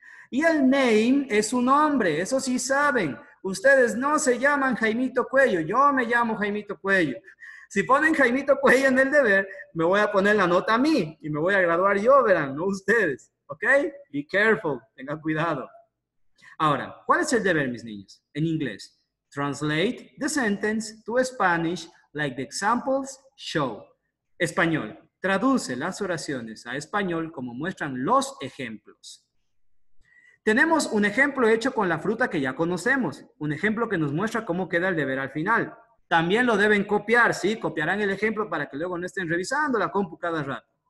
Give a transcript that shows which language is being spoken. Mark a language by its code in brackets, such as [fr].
[es] Y el name es su nombre. Eso sí saben. Ustedes no se llaman Jaimito Cuello. Yo me llamo Jaimito Cuello. Si ponen Jaimito Cuello en el deber, me voy a poner la nota a mí. Y me voy a graduar yo, verán, no ustedes. ¿Ok? [en] Be careful. [es] Tengan cuidado. Ahora, ¿cuál es el deber, mis niños? En inglés. [en] Translate the sentence to Spanish like the examples show. [es] Español. Traduce las oraciones a español como muestran los ejemplos. Tenemos un ejemplo hecho con la fruta que ya conocemos. Un ejemplo que nos muestra cómo queda el deber al final. También lo deben copiar, ¿sí? Copiarán el ejemplo para que luego no estén revisando la compu cada rato.